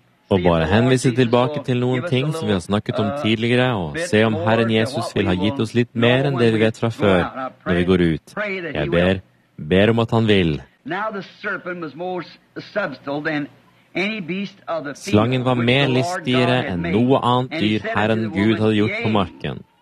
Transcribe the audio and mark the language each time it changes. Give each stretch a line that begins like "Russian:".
Norwegian: Og bare henvise tilbake til noen ting som vi har snakket om tidligere, og se om Herren Jesus vil ha gitt oss litt mer enn det vi vet fra før, når vi går ut. Jeg ber om at han vil.
English: Now the serpent was more subtle than any beast of the field.
Norwegian: Slangen var mer listigere enn noe annet dyr Herren Gud hadde gjort på marken.